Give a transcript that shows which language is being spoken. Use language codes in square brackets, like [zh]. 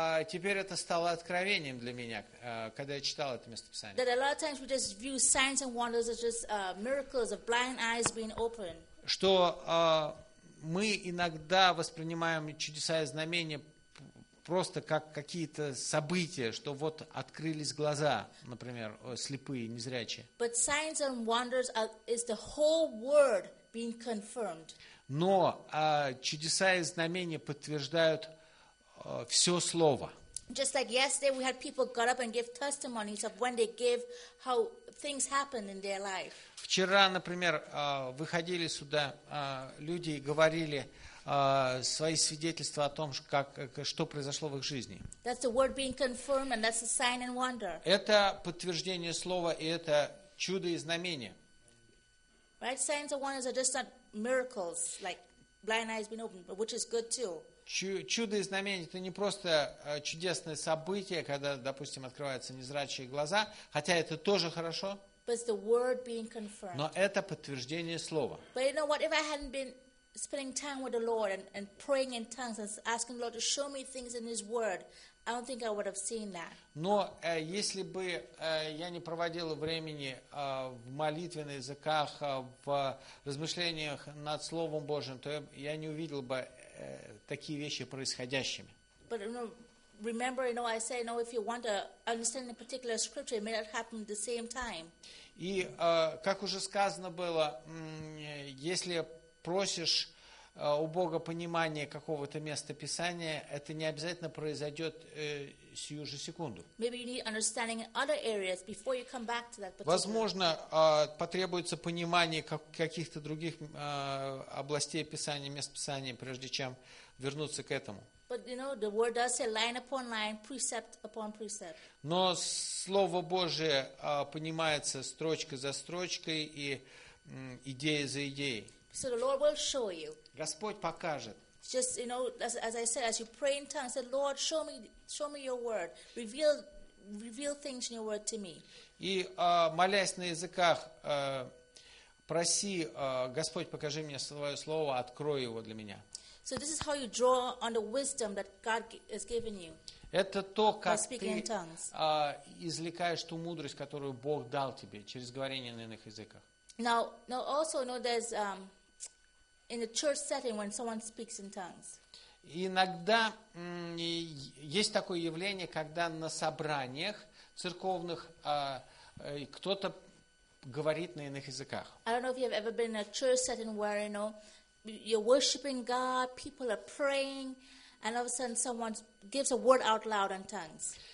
[ru] Теперь это стало откровением для меня, когда я читал это место Писания. [en] That a lot of times we just view signs and wonders as just miracles of blind eyes being opened. [ru] Что мы иногда воспринимаем чудеса и знамения просто как какие-то события, что вот открылись глаза, например, слепые, незрячие. [en] But signs and wonders is the whole word being confirmed. [ru] Но чудеса и знамения подтверждают все слово. [en] Just like yesterday, we had people got up and give testimonies of when they give how things happened in their life. [ru] Вчера, например, выходили сюда люди и говорили свои свидетельства о том, что произошло в их жизни. [en] That's the word being confirmed, and that's a sign and wonder. [ru] Это подтверждение слова, и это чудо и знамение. [en] Right? Signs and wonders are just not miracles, like blind eyes being opened, which is good too. [ru] Чудо и знамение – это не просто чудесное событие, когда, допустим, открываются незрячие глаза, хотя это тоже хорошо. [en] But it's the word being confirmed. [ru] Но это подтверждение слова. [en] But you know what? If I hadn't been spending time with the Lord and praying in tongues and asking the Lord to show me things in His Word, I don't think I would have seen that. [ru] Но если бы я не проводил времени в молитве на языках, в размышлениях над Словом Божьим, то я не увидел бы такие вещи происходящими. [en] But you know, remember, you know, I say, you know, if you want to understand a particular scripture, it may not happen at the same time. [ru] И как уже сказано было, если просишь у Бога понимания какого-то места Писания, это не обязательно произойдет сию же секунду. [en] Maybe you need understanding in other areas before you come back to that particular. [ru] Возможно, потребуется понимание каких-то других областей Писания, мест Писания, прежде чем вернуться к этому. [en] But you know, the word does say line upon line, precept upon precept. [ru] Но Слово Божие понимается строчка за строчкой и идея за идеей. [en] So the Lord will show you. [ru] Господь покажет. [en] Just you know, as I said, as you pray in tongues, say, Lord, show me your word, reveal things in your word to me. [ru] И молясь на языках, проси Господь, покажи мне свое слово, открой его для меня. [en] So this is how you draw on the wisdom that God has given you. [ru] Это то, как ты извлекаешь ту мудрость, которую Бог дал тебе через говорение на иных языках. [en] Now also know there's in a church setting when someone speaks in tongues. [ru] Иногда есть такое явление, когда на собраниях церковных кто-то говорит на иных языках. [en] I don't know if you've ever been in a church setting where you know you're worshiping God, people are praying, and all of a sudden someone gives a word out loud in tongues.